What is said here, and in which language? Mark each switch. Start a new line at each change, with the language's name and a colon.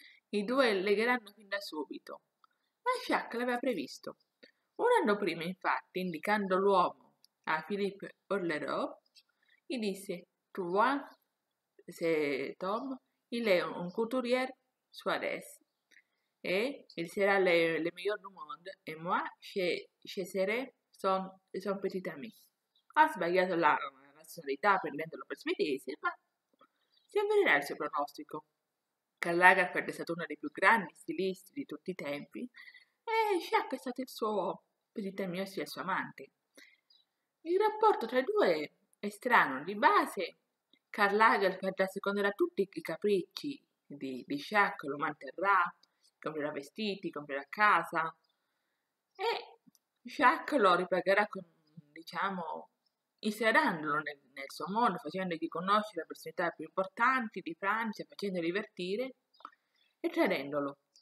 Italian: I due legheranno fin da subito, ma Jacques l'aveva previsto. Un anno prima, infatti, indicando l'uomo a Philippe Orlerot, gli disse:
French: Tu vois, c'est Tom, il è un couturier. Suarez, et il sera le meilleur du monde, et moi, je serai son petit ami.
Italian: Ha sbagliato la nazionalità prendendolo per svedese, ma si avvererà il suo pronostico. Karl Lagerfeld è stato uno dei più grandi stilisti di tutti i tempi, e Jacques è stato il suo
French: petit ami,
Italian: ossia il suo amante. Il rapporto tra i due è strano. Di base, Karl Lagerfeld asseconderà tutti i capricci di Jacques, lo manterrà, comprerà vestiti, comprerà casa e Jacques lo ripagherà con, diciamo, inserendolo nel suo mondo, facendogli conoscere le personalità più importanti di Francia, facendolo divertire e tradendolo.